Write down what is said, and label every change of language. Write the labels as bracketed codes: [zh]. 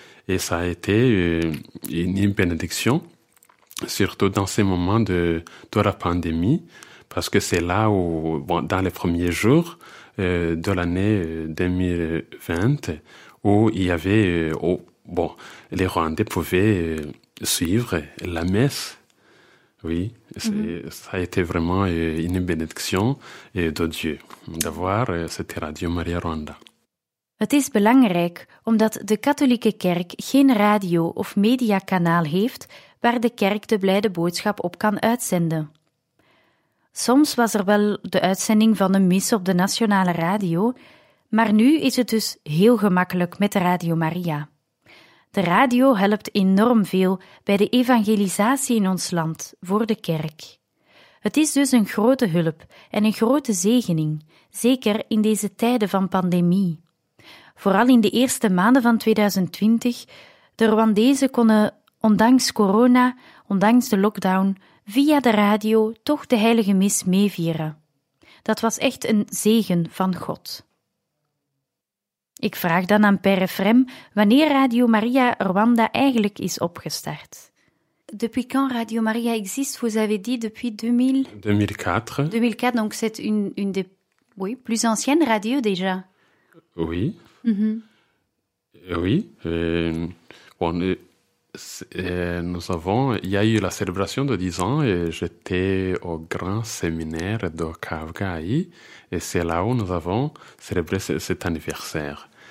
[fr] Et ça a été une bénédiction, surtout dans ces moments de la pandémie, parce que c'est là où, dans les premiers jours de l'année 2020, où il y avait, les Rwandais pouvaient suivre la messe. Oui, ça a été vraiment une bénédiction de Dieu d'avoir cette Radio Maria Rwanda. [nl] Het is belangrijk omdat de katholieke kerk geen radio of mediakanaal heeft waar de kerk de blijde boodschap op kan uitzenden. Soms was er wel de uitzending van een mis op de nationale radio, maar nu is het dus heel gemakkelijk met Radio Maria. De radio helpt enorm veel bij de evangelisatie in ons land, voor de kerk. Het is dus een grote hulp en een grote zegening, zeker in deze tijden van pandemie. Vooral in de eerste maanden van 2020, de Rwandezen konden, ondanks corona, ondanks de lockdown, via de radio toch de Heilige Mis meevieren. Dat was echt een zegen van God. Ik vraag dan aan Père Frem wanneer Radio Maria Rwanda eigenlijk is opgestart. [fr] Depuis quand Radio Maria existe, vous avez dit depuis 2004. Donc c'est une des oui, plus anciennes radios déjà. Oui. Oui. Bon, nous avons, il y a eu la célébration de 10 ans et j'étais au grand séminaire de Kavgaï et c'est là où nous avons célébré cet anniversaire.